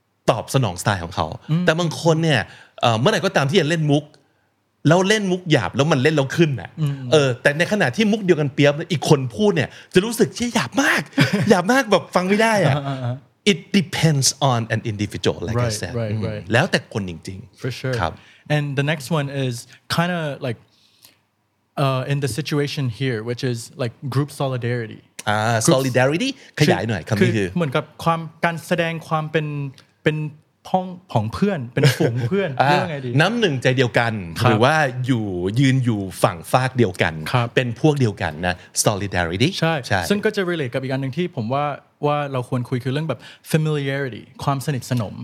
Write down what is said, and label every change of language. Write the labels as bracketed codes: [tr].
[th] ตอบสนองสไตล์ของเขาแต่บางคนเนี่ยเมื่อไหร่ก็ตามที่จะเล่นมุกแล้วเล่นมุกหยาบแล้วมันเล่นแล้วขึ้นน่ะแต่ในขณะที่มุกเดียวกันเปี๊ยบอีกคนพูดเนี่ยจะรู้สึกเชี่ยหยาบมาก หยาบมากแบบฟังไม่ได้อ่ะ [en] it depends on an individual like right, I said right, right. [th] แล้วแต่คนจริง [en] ๆ for sure [th] ครับ [en] and the next one is kind of like in the situation here which is like group solidarity [th] solidarity ขยายหน่อยคำนี้คือ เหมือนกับความการแสดงความเป็นพ้องผองเพื่อนเป็นฝูงเพื่อนเรื่องไงดี น้ำหนึ่งใจเดียวกันหรือว่าอยู่ยืนอยู่ฝั่งฟากเดียวกันเป็นพวกเดียวกันนะ solidarity ใช่ ใช่ ซึ่งก็จะ relate กับอีกอันหนึ่งที่ผมว่าเราควรคุยคือเรื่องแบบ familiarity ความสนิทสนม